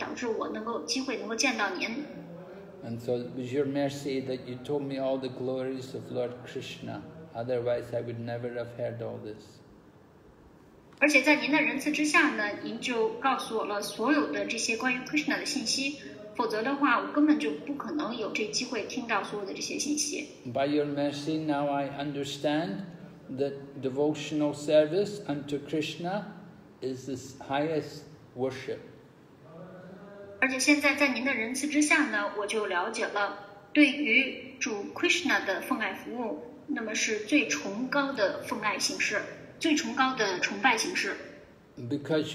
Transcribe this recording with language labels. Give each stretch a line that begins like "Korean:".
Chinese: 那就是由于他们的仁慈，所以呢，才导致我能够机会能够见到您。
English: And so it was your mercy that you told me all the glories of Lord Krishna. Otherwise, I would never have heard all this.
Chinese: 而且在您的仁慈之下呢，您就告诉我了所有的这些关于 Krishna 的信息，否则的话，我根本就不可能有这机会听到所有的这些信息。
English: By your mercy, now I understand that devotional service unto Krishna. Is this highest worship?
Chinese: 而且现在在您的仁慈之下呢，我就了解了，对于主 Krishna 的奉爱服务，那么是最崇高的奉爱形式，最崇高的崇拜形式。
English: Because